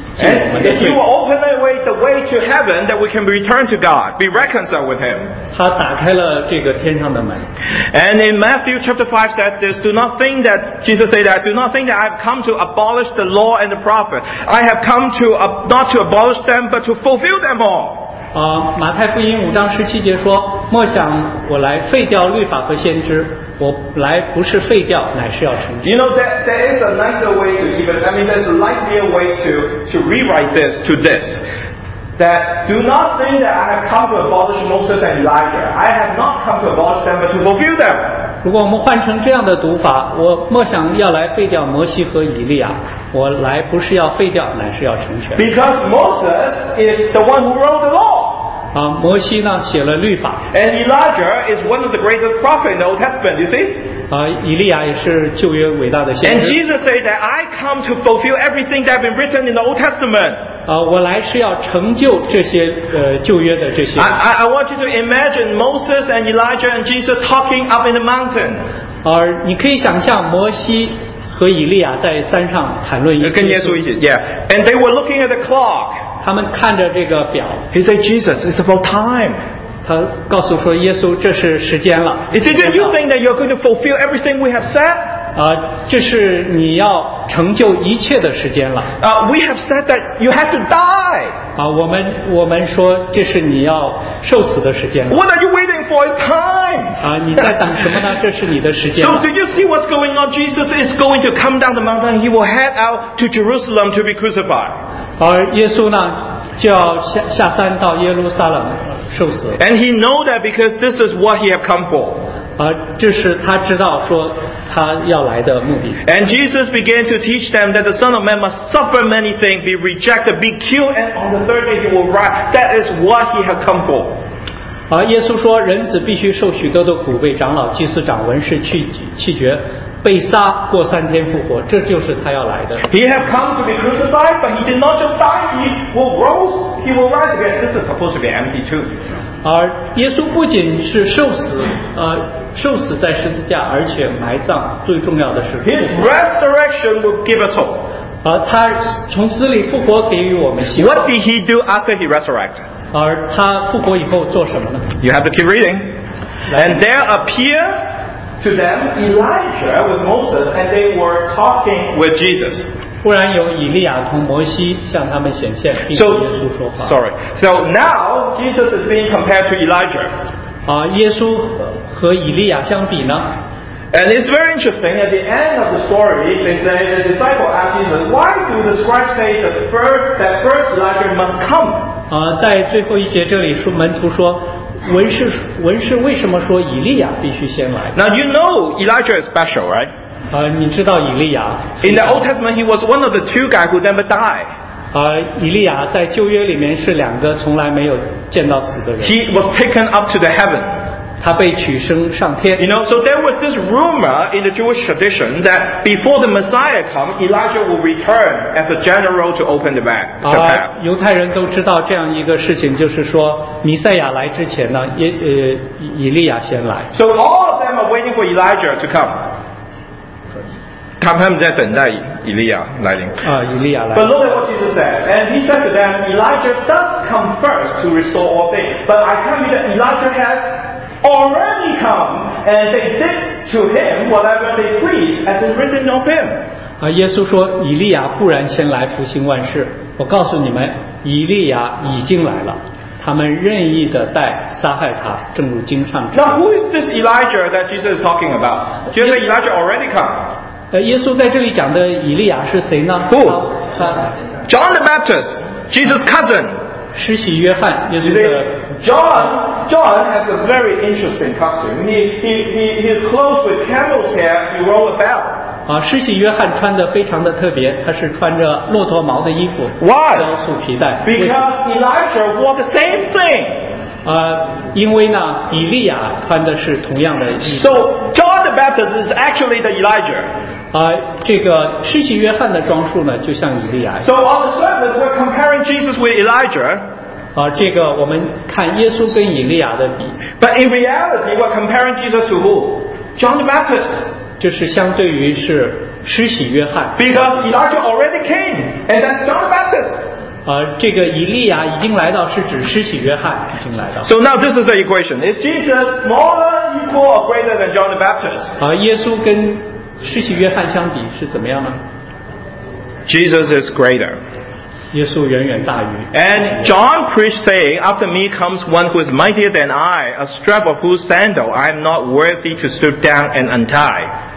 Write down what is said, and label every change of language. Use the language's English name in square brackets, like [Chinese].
[English] And if you open the way to heaven, that we can return to God, be reconciled with Him. [Chinese] 他打开了这个天上的门。 [English] And in Matthew chapter 5 says this, do not think that, Jesus said that, do not think that I have come to abolish the law and the prophet. I have come to, not to abolish them, but to fulfill them all. [Chinese] 马太福音五章十七节说，莫想我来废掉律法和先知。我来不是废掉，乃是要成就。 [English] You know there is a nicer way to even. I mean, there's a likelier way to rewrite this to this. That do not think that I have come to abolish Moses and Elijah. I have not come to abolish them, but to fulfill them. [Chinese] 如果我们换成这样的读法，我莫想要来废掉摩西和以利亚。我来不是要废掉，乃是要成全。 [English] Because Moses is the one who wrote the law. [Chinese] 摩西呢写了律法。 [English] And Elijah is one of the greatest prophets in the Old Testament, you see? [Chinese] 以利亚也是旧约伟大的先知。 [English] And Jesus said that I come to fulfill everything that has been written in the Old Testament. [Chinese] 我来是要成就这些旧约的这些。 [English] I want you to imagine Moses and Elijah and Jesus talking up in the mountain. [Chinese] 你可以想象摩西和以利亚在山上谈论耶稣。跟耶稣一起 [English] yeah. And they were looking at the clock. [Chinese] 他们看着这个表 [English] He said, Jesus, it's about time. [Chinese] 他告诉说耶稣这是时间了。 [English] Is it that you think that you're going to fulfill everything we have said? [Chinese] 啊，这是你要成就一切的时间了。 [English] We have said that you have to die. [Chinese] 啊，我们说这是你要受死的时间了。 [English] What are you waiting for? It's time. [Chinese] 啊，你在等什么呢？这是你的时间了。 [English] So do you see what's going on? Jesus is going to come down the mountain. He will head out to Jerusalem to be crucified. [Chinese] 而耶稣呢？就要下山到耶路撒冷受死。 [English] And he know that because this is what he have come for. [Chinese] 这是他知道说他要来的目的。 [English] And Jesus began to teach them that the Son of Man must suffer many things, be rejected, be killed, and on the third day he will rise. That is what he have come for. [Chinese] 耶稣说人子必须受许多的苦，被长老、祭司长、文士弃绝。被杀过三天复活，这就是他要来的。 [English] He have come to be crucified, but he did not just die. He will rose. He will rise again. This is supposed to be empty tomb. [Chinese] 而耶稣不仅是受死，受死在十字架，而且埋葬。最重要的是复活。 [English] His resurrection will give us hope. [Chinese] 他从死里复活给予我们希望。 [English] What did he do after he resurrected? [Chinese] 而他复活以后做什么呢 [English] ？You have to keep reading. And there appear. To them, Elijah with Moses, and they were talking with Jesus. [Chinese] 忽然有以利亚同摩西向他们显现，并对耶稣说话。 [English] So now Jesus is being compared to Elijah. [Chinese] 耶稣和以利亚相比呢？ [English] And it's very interesting. At the end of the story, they say the disciple asked Jesus, "Why do the scribes say that first Elijah must come?" [Chinese] 在最后一节这里说，门徒说。文士为什么说以利亚必须先来？ [English] Now you know Elijah is special, right? [Chinese] 你知道以利亚。 [English] In the Old Testament, he was one of the two guys who never died. [Chinese] 以利亚在旧约里面是两个从来没有见到死的人。 [English] He was taken up to the heaven. [Chinese] 他被取升上天。 [English] You know, so there was this rumor in the Jewish tradition that before the Messiah comes, Elijah will return as a general to open the back. [Chinese] 犹太人都知道这样一个事情，就是说弥赛亚来之前呢，以利亚先来。 So all of them are waiting for Elijah to come. 他们在等待以利亚来临。以利亚来。 [English] But look at what Jesus said, and he said to them, Elijah does come first to restore all things, but I tell you that Elijah has. Already come, and they did to him whatever they pleased, as is written of him. [Chinese] 耶稣说，以利亚固然先来复兴万事。我告诉你们，以利亚已经来了。他们任意的待杀害他，正如经上。 [English] Now who is this Elijah that Jesus is talking about? Jesus said Elijah already come. [Chinese] 耶稣在这里讲的以利亚是谁呢 [English] ？Who? John the Baptist, Jesus' cousin. [Chinese] 施洗约翰，耶稣的。 [English] John has a very interesting costume. He is clothed with camel's hair. He rolls a bell. [Chinese] 施洗约翰穿的非常的特别，他是穿着骆驼毛的衣服，雕塑皮带。 [English] Because Elijah wore the same thing. [Chinese] 因为呢，以利亚穿的是同样的衣服。 [English] So John the Baptist is actually the Elijah. [Chinese] 这个施洗约翰的装束呢，就像以利亚。 [English] So on the surface, we're comparing Jesus with Elijah. [Chinese] 这个我们看耶稣跟以利亚的比。 [English] But in reality, we're comparing Jesus to who? John the Baptist. [Chinese] 就是相对于是施洗约翰。 [English] Because Elijah already came, and that's John the Baptist. [Chinese] 这个以利亚已经来到是指施洗约翰已经来到。 [English] So now this is the equation. Is Jesus smaller, equal, or greater than John the Baptist? [Chinese] 耶稣跟施洗约翰相比是怎么样呢？ [English] Jesus is greater. [Chinese] 耶稣远远大于 [English] And John preached saying, After me comes one who is mightier than I, a strap of whose sandal I am not worthy to stoop down and untie.